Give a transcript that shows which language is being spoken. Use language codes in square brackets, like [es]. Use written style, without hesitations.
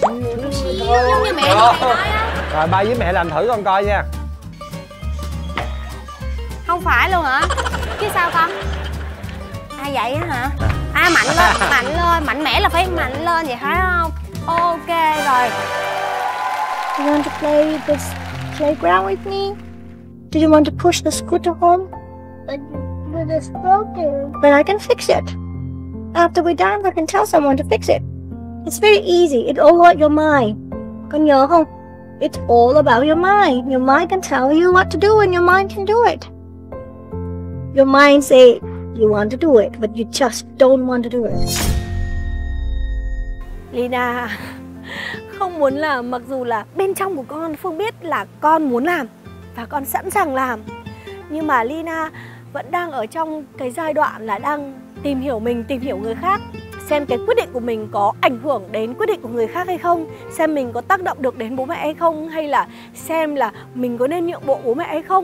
[vi] Một xíu giống như mẹ hay nói á. Rồi ba với mẹ làm thử con coi nha. Không phải luôn hả? Chứ sao con? À vậy á hả? À mạnh lên, mạnh lên, mạnh mẽ là phải mạnh lên vậy phải không? Ok rồi. [en] Do you want to play this playground with me? Do you want to push the scooter home? But it's broken. But I can fix it. After we're done, I can tell someone to fix it. It's very easy, it's all about your mind. [vi] Con nhớ không? [en] It's all about your mind. Your mind can tell you what to do and your mind can do it. Your mind say, you want to do it, but you just don't want to do it. Lina, [vi] Không muốn làm, mặc dù là bên trong của con Phương biết là con muốn làm và con sẵn sàng làm. Nhưng mà Lina vẫn đang ở trong cái giai đoạn là đang tìm hiểu mình, tìm hiểu người khác, xem cái quyết định của mình có ảnh hưởng đến quyết định của người khác hay không, xem mình có tác động được đến bố mẹ hay không, hay là xem là mình có nên nhượng bộ bố mẹ hay không.